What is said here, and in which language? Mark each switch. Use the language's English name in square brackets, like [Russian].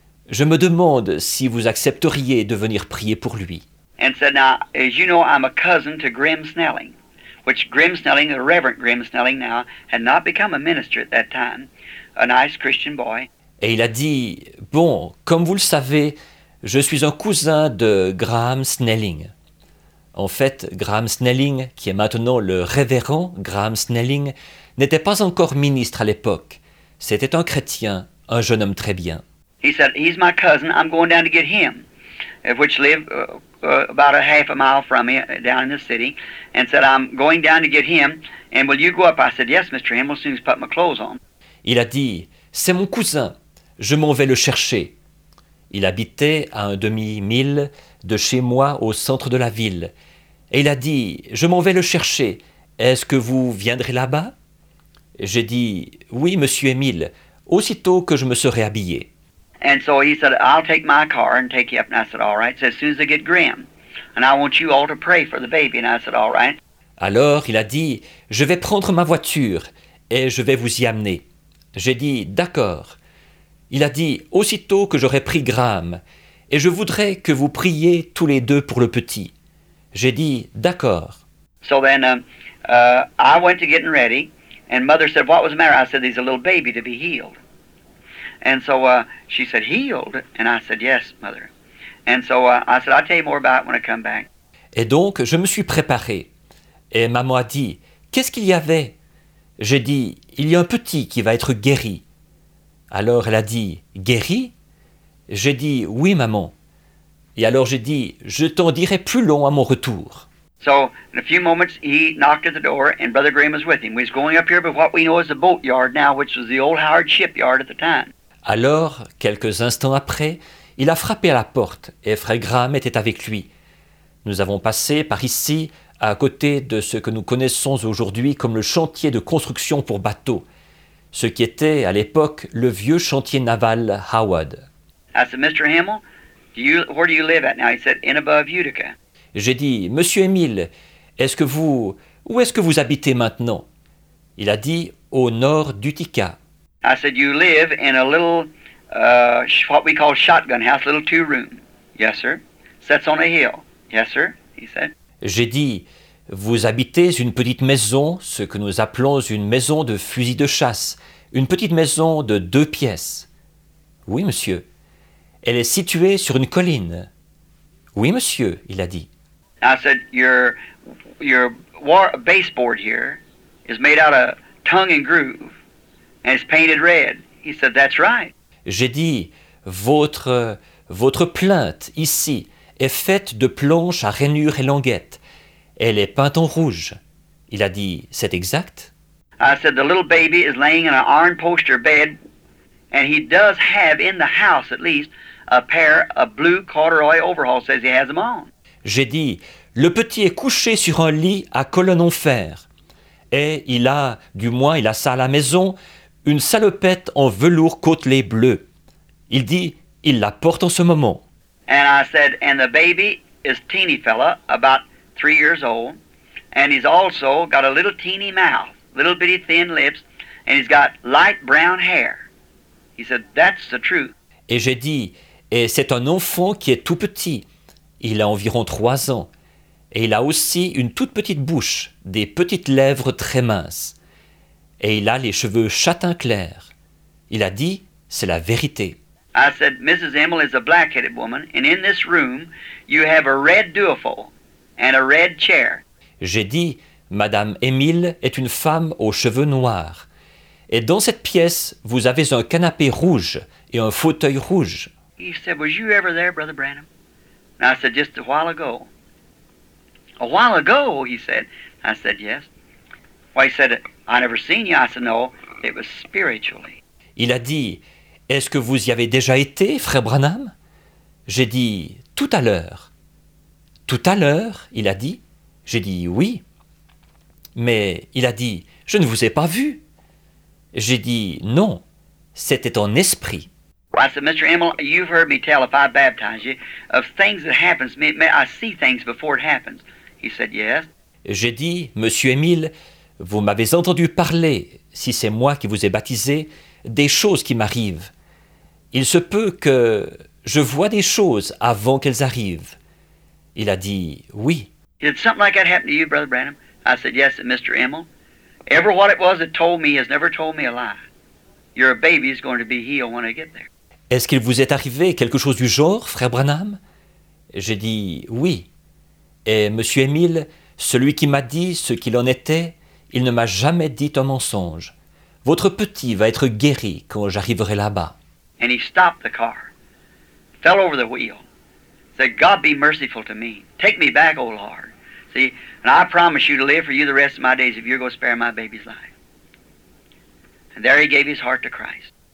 [French] Je me demande si vous accepteriez de venir prier pour lui. [English] And said, now, as you know, I'm a cousin to Grim Snelling, which Grim Snelling, the Reverend Grim Snelling now, had not become a minister at that time, a nice Christian boy. [French] Et il a dit, bon, comme vous le savez, je suis un cousin de Graham Snelling. En fait, Graham Snelling, qui est maintenant le révérend Graham Snelling, n'était pas encore ministre à l'époque. C'était un chrétien, un jeune homme très bien. [English] He said, he's my cousin, I'm going down to get him, which live about a half a mile from me, down in the city, and said, I'm going down to get him, and will you go up? I said, yes, Mr. Hamill, as soon as I put my clothes on. [French] Il a dit, c'est mon cousin, je m'en vais le chercher. Il habitait à un demi-mille de chez moi au centre de la ville. Et il a dit, je m'en vais le chercher. Est-ce que vous viendrez là-bas? J'ai dit, oui, monsieur Émile, aussitôt que je me serai habillé. [English] And so he said, I'll take my car and take you up. And I said, all right. So as soon as I get Graham, and I want you all to pray for the baby. And I said, all right. [French] Alors il a dit, je vais prendre ma voiture et je vais vous y amener. J'ai dit, d'accord. Il a dit, aussitôt que j'aurai pris Graham, et je voudrais que vous priez tous les deux pour le petit. J'ai dit, d'accord. [English] So then, I went to getting ready, and mother said, what was the matter? I said, there's a little baby to be healed. And so she said, healed? And I said, yes, mother. And so I said, I'll tell you more about it when I come back. [French] Et donc, je me suis préparé. Et maman a dit, qu'est-ce qu'il y avait? J'ai dit, il y a un petit qui va être guéri. Alors elle a dit, « Guéri ?» J'ai dit, « Oui, maman. » Et alors j'ai dit, « Je t'en dirai plus long à mon retour. » [English] So, in a few moments, he knocked at the door, and Brother Graham was with him. We was going up here, but what we know is the boatyard now, which was the old Howard shipyard at the time. [French] Alors, quelques instants après, il a frappé à la porte, et Frère Graham était avec lui. Nous avons passé par ici, à côté de ce que nous connaissons aujourd'hui comme le chantier de construction pour bateaux. Ce qui était, à l'époque, le vieux chantier naval Howard. [English] I said, Mr. Hamill, where do you live at now? He said, in above Utica. [French] J'ai dit, Monsieur Émile, où est-ce que vous habitez maintenant? Il a dit, au nord d'Utica. [English] I said, you live in a little, what we call shotgun house, little two-room. Yes, sir. Sets on a hill. Yes, sir, he said. [French] J'ai dit, vous habitez une petite maison, ce que nous appelons une maison de fusil de chasse, une petite maison de deux pièces. Oui, monsieur. Elle est située sur une colline. Oui, monsieur, il a dit. [English] I said, your war baseboard here is made out of tongue and groove, and it's painted red. He said, that's right. [French] J'ai dit, votre plinthe ici est faite de planches à rainures et languettes. Elle est peinte en rouge. Il a dit, c'est exact? [English] I said, the little baby is laying in an iron poster bed, and he does have in the house at least a pair of blue corduroy overalls, says he has them on. [French] J'ai dit, le petit est couché sur un lit à colonne en fer, et il a, du moins il a ça à la maison, une salopette en velours côtelé bleu. Il dit, il la porte en ce moment. [English] And I said, and the baby is teeny fella, about 3 years old, and he's also got a little teeny mouth, little bitty thin lips, and he's got light brown hair. He said, that's the truth. [French] Et j'ai dit, et c'est un enfant qui est tout petit. Il a environ 3 ans. Et il a aussi une toute petite bouche, des petites lèvres très minces. Et il a les cheveux châtain clair. Il a dit, c'est la vérité. [English] I said, Mrs. Emily is a black-headed woman, and in this room, you have a red duofold and a red chair. [French] J'ai dit, Madame Emile est une femme aux cheveux noirs. Et dans cette pièce, vous avez un canapé rouge et un fauteuil rouge. [English] He said, was you ever there, Brother Branham? And I said, just a while ago. A while ago, he said. I said, yes. Well, he said, I never seen you. I said, no, it was spiritually. [French] Il a dit, est-ce que vous y avez déjà été, Frère Branham? J'ai dit, tout à l'heure. Tout à l'heure, il a dit. J'ai dit, oui. Mais il a dit, je ne vous ai pas vu. J'ai dit, non, c'était en esprit. [English] Well, I said, Mr. Emil, you've heard me tell, if I baptize you, of things that happens, may I see things before it happens. He said, yes. [French] J'ai dit, Monsieur Emile, vous m'avez entendu parler, si c'est moi qui vous ai baptisé, des choses qui m'arrivent. Il se peut que je vois des choses avant qu'elles arrivent. Il a dit, oui. [English] Did something like that happen to you, Brother Branham? I said, yes, Mr. Emil. Ever what it was that told me has never told me a lie. Your baby is going to be healed when I get there. [French] Est-ce qu'il vous est arrivé quelque chose du genre, Frère Branham? J'ai dit, oui. Et Monsieur Emile, celui qui m'a dit ce qu'il en était, il ne m'a jamais dit un mensonge. Votre petit va être guéri quand j'arriverai là-bas. [English] And he stopped the car, fell over the wheel, said, God be merciful to me. Take me back, O Lord. See, and I promise you to live for you the rest of my days if you're going to spare my baby's life. And there he gave his heart to Christ.